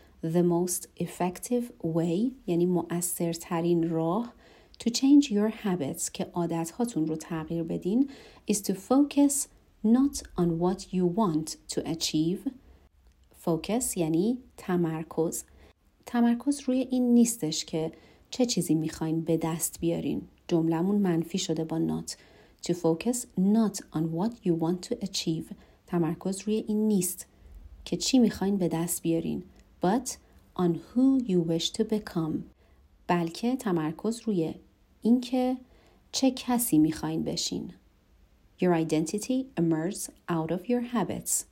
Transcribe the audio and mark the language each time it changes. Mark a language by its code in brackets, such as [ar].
[en] The most effective way [fa] یعنی مؤثر ترین راه [en] to change your habits, [fa] که عادت هاتون رو تغییر بدین, [en] is to focus not on what you want to achieve. [fa] فوکس یعنی تمرکز. تمرکز روی این نیستش که چه چیزی میخواین به دست بیارین. جملمون منفی شده با not. [en] To focus not on what you want to achieve. [fa] تمرکز روی این نیست که چی میخواین به دست بیارین. [en] But on who you wish to become. [fa] بلکه تمرکز روی این که چه کسی میخواین بشین. [en] Your identity emerges out of your habits.